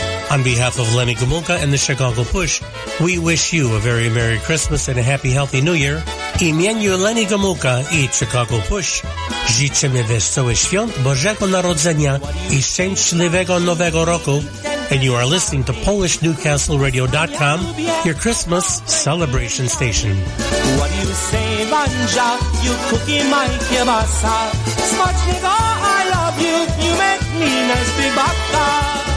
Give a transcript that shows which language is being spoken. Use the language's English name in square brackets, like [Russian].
[English] On behalf of Lenny Gumulka and the Chicago Push, we wish you a very Merry Christmas and a Happy Healthy New Year. [Polish] Imieniu Lenny Gumulka I Chicago Push, życzymy wesołych świąt Bożego Narodzenia I szczęśliwego Nowego Roku. [English] And you are listening to PolishNewcastleRadio.com, your Christmas celebration station. What do you say, Wanja? You cookie my kiebasa. Smacznego, I love you. You make me nice big baka.